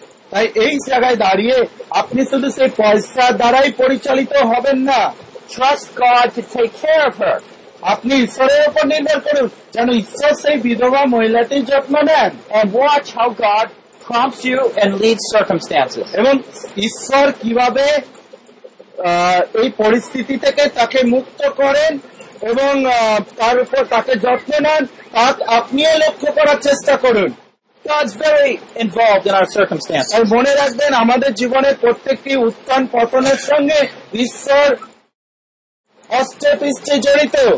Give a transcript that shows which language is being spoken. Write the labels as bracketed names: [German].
[Bangla] তাই এই জায়গায় দাঁড়িয়ে আপনি শুধু সেই পয়সা দ্বারাই পরিচালিত হবেন না। [English] Trust God to take care of her. [Bangla] আপনি ঈশ্বরের উপর নির্ভর করুন যেন ঈশ্বর সেই বিধবা মহিলাটির যত্ন নেন। [English] And watch how God prompts you and leads circumstances. [Bangla] এবং ঈশ্বর কিভাবে এই পরিস্থিতি থেকে তাকে মুক্ত করেন এবং তার উপর তাকে যত্ন নেন তা আপনিও লক্ষ্য করার চেষ্টা করুন। [English] God's very involved in our circumstances. [Bangla] আর মনে রাখবেন আমাদের জীবনের প্রত্যেকটি উত্থান পতনের সঙ্গে ঈশ্বর অষ্টপৃষ্ঠে জড়িত।